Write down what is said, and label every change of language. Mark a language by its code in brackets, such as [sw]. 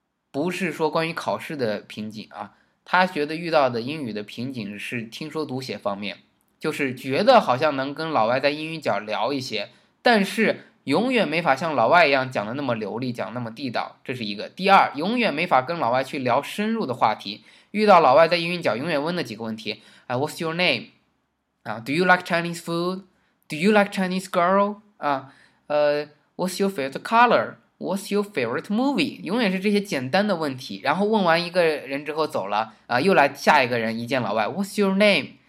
[zh] 不是说关于考试的瓶颈啊，他觉得遇到的英语的瓶颈是听说读写方面。就是觉得好像能跟老外在英语角聊一些，但是永远没法像老外一样讲的那么流利，讲那么地道，这是一个。第二，永远没法跟老外去聊深入的话题。遇到老外在英语角，永远问的几个问题： [en] What's your name？ Do you like Chinese food？Do you like Chinese girl？ What's your favorite color？What's your favorite movie？ [zh] 永远是这些简单的问题。然后问完一个人之后走了又来下一个人，一见老外： [en] What's your name？